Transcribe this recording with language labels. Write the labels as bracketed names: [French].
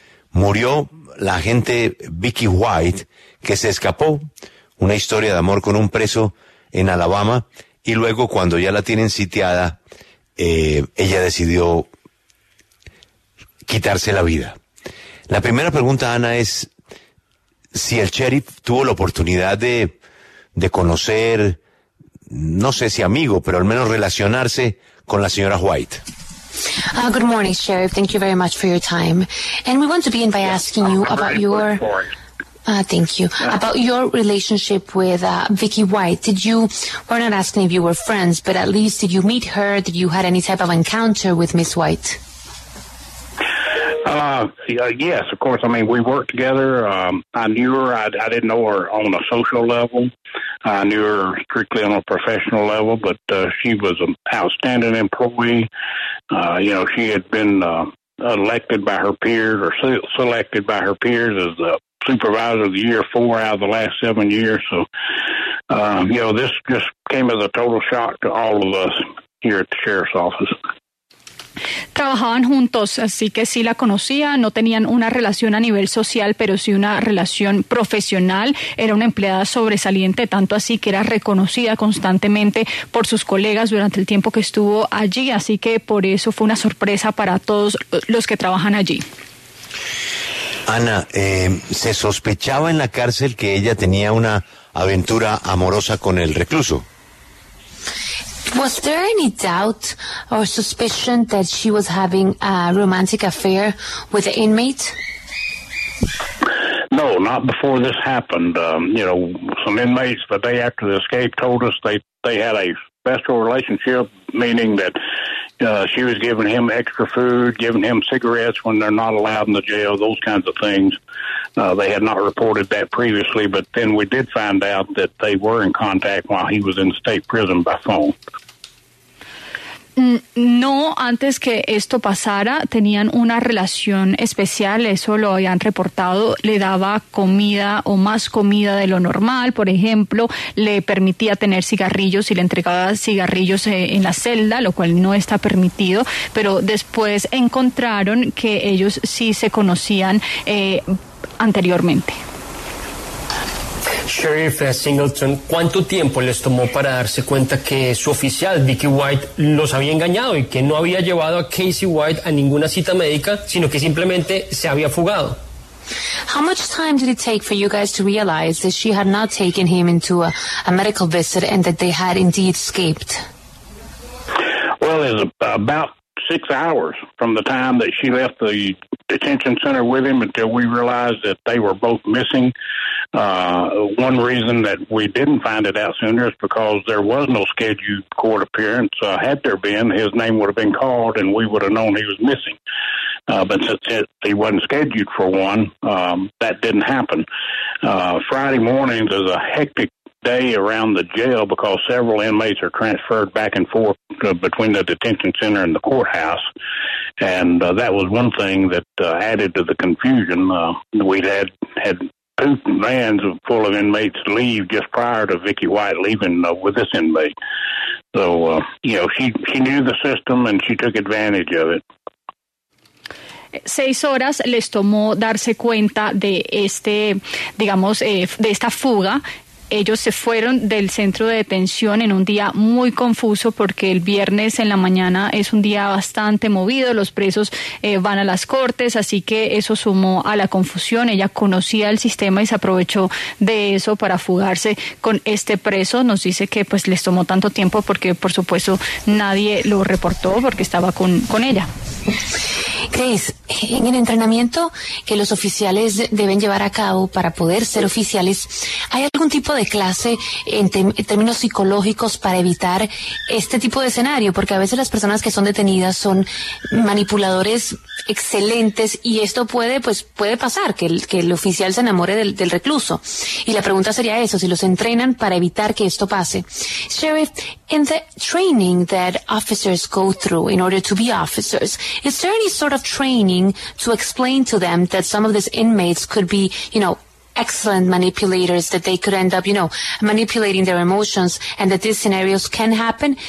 [Spanish] Murió la agente Vicky White, que se escapó, una historia de amor con un preso en Alabama, y luego cuando ya la tienen sitiada, ella decidió quitarse la vida. La primera pregunta, Ana, es si el sheriff tuvo la oportunidad de conocer, no sé si amigo, pero al menos relacionarse con la señora White. [English] Good morning, Sheriff. Thank you very much for your time. And we want to begin by asking you about your... thank you. About your relationship with Vicky White. Did you... We're not asking if you were friends, but at least did you meet her? Did you had any type of encounter with Miss White? Yes, of course. I mean, we worked together. I knew her. I didn't know her on a social level. I knew her strictly on a professional level, but she was an outstanding employee. You know, she had been elected by her peers or selected by her peers as the supervisor of the year 4 out of the last 7 years. So, you know, this just came as a total shock to all of us here at the sheriff's office. [Spanish] Trabajaban juntos, así que sí la conocía, no tenían una relación a nivel social, pero sí una relación profesional. Era una empleada sobresaliente, tanto así que era reconocida constantemente por sus colegas durante el tiempo que estuvo allí, así que por eso fue una sorpresa para todos los que trabajan allí. Ana, ¿se sospechaba en la cárcel que ella tenía una aventura amorosa con el recluso? [English] Was there any doubt or suspicion that she was having a romantic affair with the inmate? No, not before this happened. You know, some inmates the day after the escape told us they had a special relationship, meaning that she was giving him extra food, giving him cigarettes when they're not allowed in the jail, those kinds of things. They had not reported that previously, but then we did find out that they were in contact while he was in state prison by phone. [Spanish] No, antes que esto pasara, tenían una relación especial, eso lo habían reportado, le daba comida o más comida de lo normal, por ejemplo, le permitía tener cigarrillos y le entregaba cigarrillos en la celda, lo cual no está permitido, pero después encontraron que ellos sí se conocían anteriormente. Sheriff Singleton, ¿cuánto tiempo les tomó para darse cuenta que su oficial, Vicky White, los había engañado y que no había llevado a Casey White a ninguna cita médica, sino que simplemente se había fugado? [English] How much time did it take for you guys to realize that she had not taken him into a medical visit and that they had indeed escaped? Well, it was about 6 hours from the time that she left the detention center with him until we realized that they were both missing. One reason that we didn't find it out sooner is because there was no scheduled court appearance. Had there been, his name would have been called and we would have known he was missing. But since he wasn't scheduled for one, that didn't happen. Friday mornings is a hectic day around the jail because several inmates are transferred back and forth between the detention center and the courthouse. And that was one thing that added to the confusion. We'd had two vans full of inmates leave just prior to Vicky White leaving with this inmate. So, you know, she knew the system and she took advantage of it. [Spanish] 6 horas les tomó darse cuenta de este, digamos, de esta fuga. Ellos se fueron del centro de detención en un día muy confuso porque el viernes en la mañana es un día bastante movido, los presos van a las cortes, así que eso sumó a la confusión. Ella conocía el sistema y se aprovechó de eso para fugarse con este preso. Nos dice que pues les tomó tanto tiempo porque por supuesto nadie lo reportó porque estaba con ella. ¿Crees en el entrenamiento que los oficiales deben llevar a cabo para poder ser oficiales? ¿Hay algún tipo de clase en términos psicológicos para evitar este tipo de escenario? Porque a veces las personas que son detenidas son manipuladores excelentes y esto puede pasar, que el oficial se enamore del recluso. Y la pregunta sería eso, si los entrenan para evitar que esto pase. [English] Sheriff, in the training that officers go through in order to be officers, is there any sort of training to explain to them that some of these inmates could be, you know, excellent manipulators, that they could end up, you know, manipulating their emotions and that these scenarios can happen?